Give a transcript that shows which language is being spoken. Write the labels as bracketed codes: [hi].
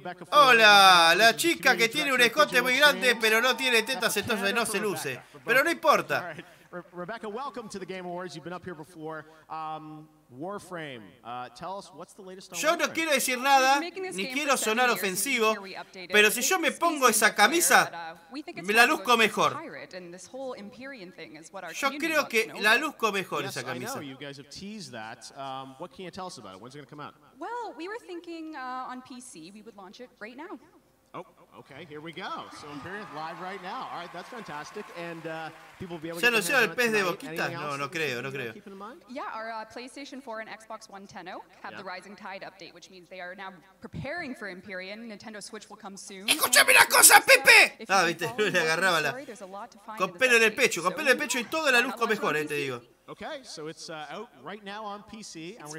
[es] Hola, la chica que tiene un escote muy grande, pero no tiene tetas, entonces no se luce. Pero no importa. [en] Rebecca, welcome to the Game Awards. You've been up here before. Warframe, tell us what's the latest on Warframe. [es] Yo no quiero decir nada, ni quiero sonar ofensivo, pero si yo me pongo esa camisa, me la luzco mejor. Yo creo que la luzco mejor esa camisa. [en] You guys have teased that. What can you tell us about it? When's it going to come out? Well, we were thinking on PC, we would launch it right now. Oh, okay, here we go. So Imperium live right now. All right, that's fantastic. And people will be able [es] ¿Se [en] to [es] anunció el pez de boquita? No, no creo, no creo. [en] Yeah, our PlayStation 4 and Xbox One 10 have the Rising Tide update, which means they are now preparing for Imperium. Nintendo Switch will come soon. [es] ¡Escúchame una cosa, Pepe! Ah, viste, le agarraba la... Con pelo en el pecho, con pelo en el pecho y toda la luz con mejor, te digo. [en] Okay, so it's out right now on PC, and we're